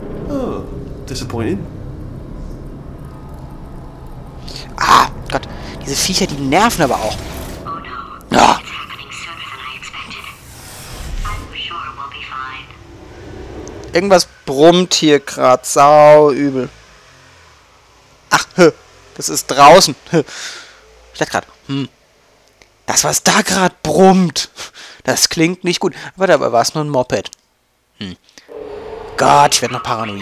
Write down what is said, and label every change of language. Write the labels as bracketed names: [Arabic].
[English] Oh, disappointing. [German] Ah, Gott. Diese Viecher, die nerven aber auch. [English] Oh no. Ah. It's happening sooner than I expected. I'm sure we'll be fine. [German] Irgendwas brummt hier gerade sau übel. Ach, das ist draußen. Ich dachte gerade, das, was da gerade brummt, das klingt nicht gut. Aber dabei war es nur ein Moped. Gott, ich werde noch paranoid.